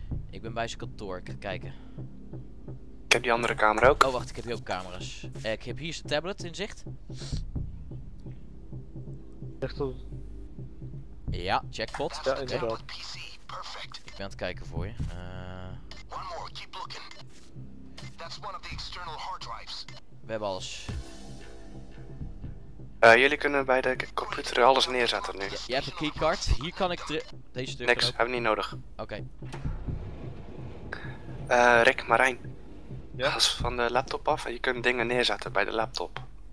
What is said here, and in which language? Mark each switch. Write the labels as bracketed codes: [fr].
[nl] Ik ben bij zijn kantoor, ik ga kijken. Ik heb die andere camera ook. Oh wacht, ik heb hier ook camera's. Ik heb hier zijn tablet in zicht. Echt op. Ja, jackpot. Ja, inderdaad. Perfect. Ik ben aan het kijken voor je. [en] One more, keep looking. That's one of the external hard drives. [nl] We hebben alles. Jullie kunnen bij de computer alles neerzetten nu. Je hebt een keycard, hier kan ik deze deur. Niks, hebben we niet nodig. Oké. Okay. Rick, Marijn. Ja? Ga eens van de laptop af en je kunt dingen neerzetten bij de laptop.